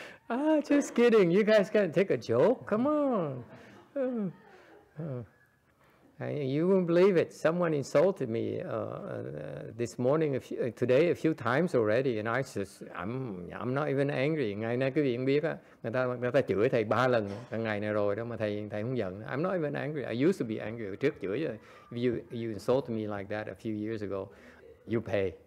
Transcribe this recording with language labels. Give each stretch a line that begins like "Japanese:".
English: Ah, just kidding. You guys gonna take a joke? Come on. You won't believe it. Someone insulted me this morning, today a few times already, and I just I'm not even angry.
Vietnamese: Ngày nay quý vị cũng biết á, người ta chửi thầy ba lần cái ngày này rồi đó mà thầy không giận.
English: I'm not even angry. I used to be angry.
Vietnamese: Trước chửi rồi.
English: If you insulted me like that a few years ago, you pay.